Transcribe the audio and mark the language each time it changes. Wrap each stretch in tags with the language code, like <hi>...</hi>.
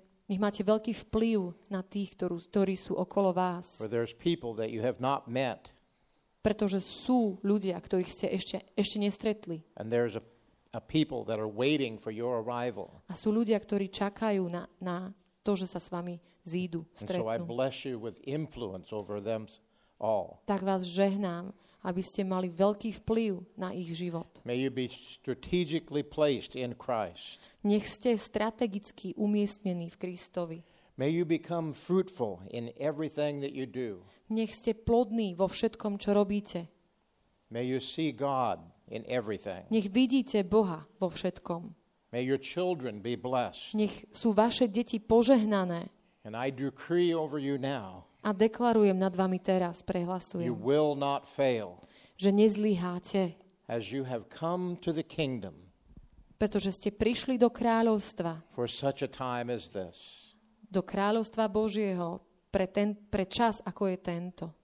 <sk>Nech máte veľký vplyv na tých, ktorí sú okolo vás.</sk> <en>For there's people that you have not met.</en> <sk>Pretože sú ľudia, ktorých ste ešte nestretli.</sk> <en>And there's a people that are waiting for your arrival.</en> <sk>A sú ľudia, ktorí čakajú na to, že sa s vami zídu, stretnú.</sk> <en>And so I bless you with influence over them all.</en> <sk>Tak vás žehnám, aby ste mali veľký vplyv na ich život.</sk> <en>May you be strategically placed in Christ.</en> <sk>Nech ste strategicky umiestnení v Kristovi.</sk> <en>May you become fruitful in everything that you do.</en> <sk>Nech ste plodní vo všetkom, čo robíte.</sk> <en>May you see God in everything.</en> <sk>Nech vidíte Boha vo všetkom.</sk> <en>May your children be blessed.</en> <sk>Nech sú vaše deti požehnané.</sk> <en>And I decree over you now.</en> <sk>A deklarujem nad vami teraz, prehlasujem.</sk> <en>You will not fail.</en> <sk>Že nezlyháte.</sk> <en>As you have come to the kingdom.</en> <sk>Pretože ste prišli do kráľovstva.</sk> <en>For such a time as this.</en> <sk>Do kráľovstva Božieho pre čas ako je tento.</sk>